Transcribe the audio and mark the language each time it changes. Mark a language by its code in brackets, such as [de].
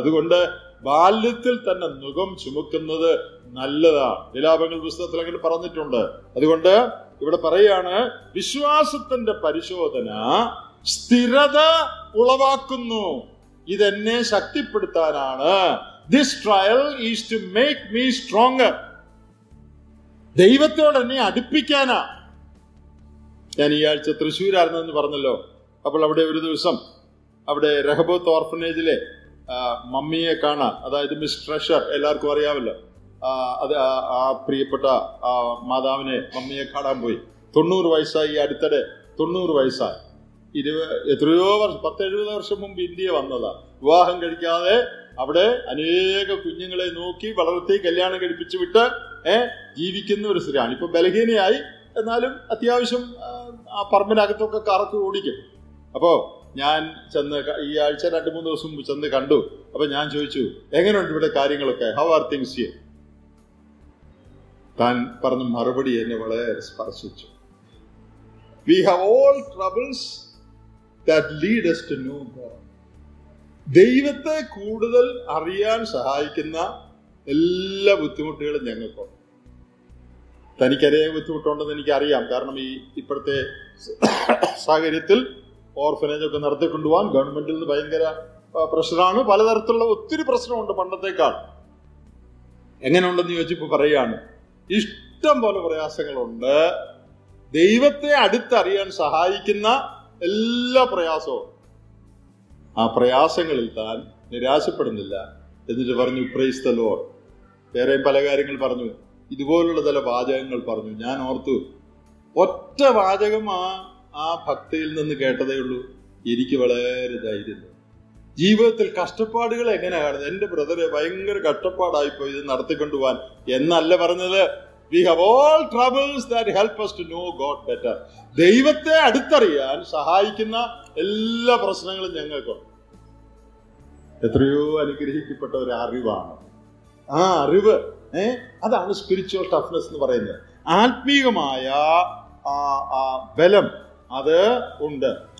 [ml] അതുകൊണ്ട് ബാല്യത്തിൽ തന്നെ നുകം ചുമക്കുന്നത് നല്ലതാണ്. വിലാപങ്ങൾ പുസ്തകത്തിൽ അങ്ങനെ പറഞ്ഞിട്ടുണ്ട്. അതുകൊണ്ട് ഇവിടെ പറയുകയാണ്, വിശ്വാസത്തിന്റെ പരിശോധന സ്ഥിരത ഉളവാക്കുന്നു, ഇതെന്നെ ശക്തിപ്പെടുത്താനാണ്. [en] This trial is to make me stronger. [ml] ദൈവത്തോട് എന്നെ അടുപ്പിക്കാനാ. ഞാൻ ഈ ആഴ്ച തൃശ്ശൂരായിരുന്നെന്ന് പറഞ്ഞല്ലോ. അപ്പോൾ അവിടെ ഒരു ദിവസം അവിടെ രഹബോത്ത് ഓർഫനേജിലെ മമ്മിയെ കാണാം, അതായത് മിസ് ട്രഷർ, എല്ലാവർക്കും അറിയാമല്ലോ. അത് ആ പ്രിയപ്പെട്ട ആ മാതാവിനെ, മമ്മിയെ കാണാൻ പോയി. 90 വയസ്സായി, ഈ അടുത്തിടെ 90 വയസ്സായി. 20 എത്രയോ വർഷം, 10-70 വർഷം മുമ്പ് ഇന്ത്യ വന്നതാ. വിവാഹം കഴിക്കാതെ അവിടെ അനേക കുഞ്ഞുങ്ങളെ നോക്കി വളർത്തി കല്യാണം കഴിപ്പിച്ചു വിട്ട് ജീവിക്കുന്ന ഒരു സ്ത്രീയാണ്. ഇപ്പൊ ബലഹീനയായി, എന്നാലും അത്യാവശ്യം ആ പറമ്പിനകത്തൊക്കെ കറക്കി ഓടിക്കും. അപ്പോ ഞാൻ ചെന്ന് ഈ ആഴ്ച 2-3 ദിവസം മുമ്പ് ചെന്ന് കണ്ടു. അപ്പൊ ഞാൻ ചോദിച്ചു, എങ്ങനെയുണ്ട് ഇവിടെ കാര്യങ്ങളൊക്കെ, [en] How are things here? [ml] താൻ പറഞ്ഞ മറുപടി എന്നെ വളരെ സ്പർശിച്ചു. [en] We have all troubles that lead us to know God. [ml] ദൈവത്തെ കൂടുതൽ അറിയാൻ സഹായിക്കുന്ന എല്ലാ ബുദ്ധിമുട്ടുകളും ഞങ്ങൾക്കുണ്ട്. തനിക്കറിയാൻ ബുദ്ധിമുട്ടുണ്ടെന്ന് എനിക്കറിയാം. കാരണം ഈ ഇപ്പോഴത്തെ സാഹചര്യത്തിൽ ഓർഫനേജൊക്കെ നടത്തിക്കൊണ്ടുപോകാൻ ഗവൺമെന്റിൽ നിന്ന് ഭയങ്കര പ്രശ്നമാണ്. പലതരത്തിലുള്ള ഒത്തിരി പ്രശ്നമുണ്ട് പണ്ടത്തേക്കാൾ. എങ്ങനെയുണ്ടെന്ന് ചോദിച്ചിപ്പോ പറയുകയാണ്, ഇഷ്ടം പോലെ പ്രയാസങ്ങളുണ്ട്. ദൈവത്തെ അടുത്തറിയാൻ സഹായിക്കുന്ന എല്ലാ പ്രയാസവും, ആ പ്രയാസങ്ങളിൽ താൻ നിരാശപ്പെടുന്നില്ല. എന്നിട്ട് പറഞ്ഞു, [en] Praise the Lord. [ml] വേറെയും പല കാര്യങ്ങൾ പറഞ്ഞു, ഇതുപോലുള്ള ചില വാചകങ്ങൾ പറഞ്ഞു. ഞാൻ ഓർത്തു, ഒറ്റ വാചകം ആ ഭക്തിയിൽ നിന്ന് കേട്ടതേ ഉള്ളൂ, എനിക്ക് വളരെ ധൈര്യം. ജീവിതത്തിൽ കഷ്ടപ്പാടുകൾ എങ്ങനെ കാണുന്നത്? എന്റെ ബ്രദറെ, ഭയങ്കര കഷ്ടപ്പാടായിപ്പോ ഇത് നടത്തിക്കൊണ്ടുപോവാൻ എന്നല്ല പറഞ്ഞത്. [en] We have all troubles that help us to know God better. [ml] ദൈവത്തെ അടുത്തറിയാൻ സഹായിക്കുന്ന എല്ലാ പ്രശ്നങ്ങളും ഞങ്ങൾക്കുണ്ട്. എത്രയോ അനുഗ്രഹിക്കപ്പെട്ട ഒരു അറിവാണ് ആ അറിവ്. അതാണ് സ്പിരിച്വൽ ടഫ്നെസ് എന്ന് പറയുന്നത്, ആത്മീകമായ ആ ബലം അത് ഉണ്ട്.